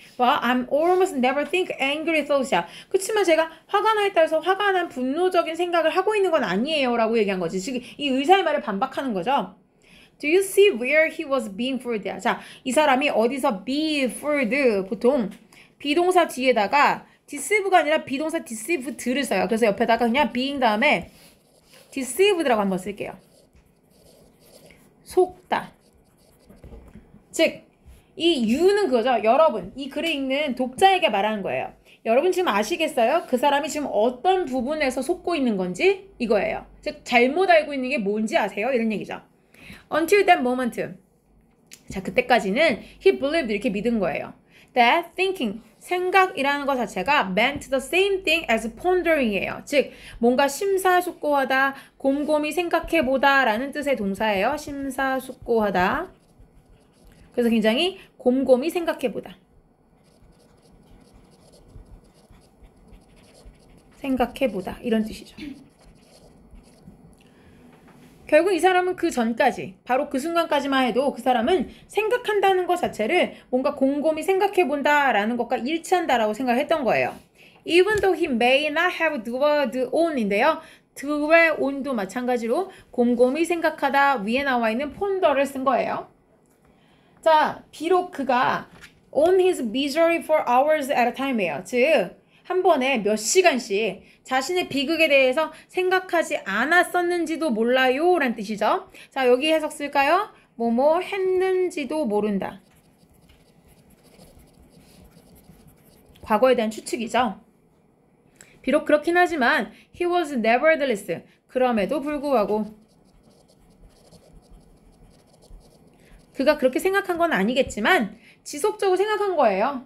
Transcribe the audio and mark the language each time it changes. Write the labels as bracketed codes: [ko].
[en] Well, I'm almost never think angry thoughts야. [ko] 그렇지만 제가 화가 나 있다 해서 화가 난 분노적인 생각을 하고 있는 건 아니에요 라고 얘기한 거지. 지금 이 의사의 말을 반박하는 거죠. [en] Do you see where he was being fooled? [ko] 자, 이 사람이 어디서 [en] be fooled? [ko] 보통 비동사 뒤에다가 deceive가 아니라 비동사 deceived를 써요. 그래서 옆에다가 그냥 being 다음에 deceived라고 한번 쓸게요. 속다. 즉, 이 you는 그거죠. 여러분, 이 글을 읽는 독자에게 말하는 거예요. 여러분 지금 아시겠어요? 그 사람이 지금 어떤 부분에서 속고 있는 건지 이거예요. 즉, 잘못 알고 있는 게 뭔지 아세요? 이런 얘기죠. [en] Until that moment, [ko] 자 그때까지는 [en] he believed [ko] 이렇게 믿은 거예요. [en] That thinking, [ko] 생각이라는 것 자체가 [en] meant the same thing as pondering이에요. [ko] 즉, 뭔가 심사숙고하다, 곰곰이 생각해보다 라는 뜻의 동사예요. 심사숙고하다. 그래서 굉장히 곰곰이 생각해보다. 생각해보다 이런 뜻이죠. 결국 이 사람은 그 전까지, 바로 그 순간까지만 해도 그 사람은 생각한다는 것 자체를 뭔가 곰곰이 생각해본다 라는 것과 일치한다라고 생각했던 거예요. [en] Even though he may not have dwelled on 인데요. [ko] dwell on도 마찬가지로 곰곰이 생각하다 위에 나와 있는 ponder를 쓴 거예요. 자, 비록 그가 [en] on his misery for hours at a time예요. [ko] 즉, 한 번에 몇 시간씩 자신의 비극에 대해서 생각하지 않았었는지도 몰라요 라는 뜻이죠. 자, 여기 해석 쓸까요? 뭐뭐 했는지도 모른다. 과거에 대한 추측이죠. 비록 그렇긴 하지만 [en] he was nevertheless [ko] 그럼에도 불구하고 그가 그렇게 생각한 건 아니겠지만 지속적으로 생각한 거예요.